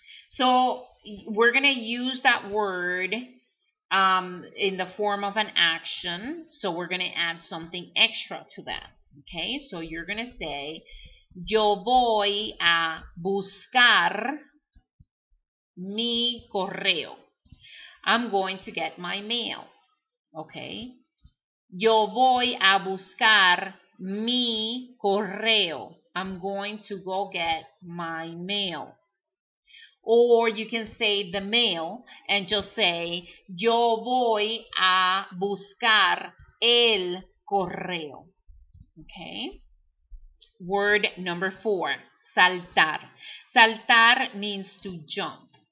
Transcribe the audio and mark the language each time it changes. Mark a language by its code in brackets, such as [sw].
[en] So, we're going to use that word in the form of an action. So, we're going to add something extra to that. Okay? So, you're going to say, [es] yo voy a buscar mi correo. [en] I'm going to get my mail. Okay? [es] Yo voy a buscar mi correo. [en] I'm going to go get my mail. Or you can say the mail and just say, [es] yo voy a buscar el correo. [en] Okay? Word number four, saltar. Saltar means to jump.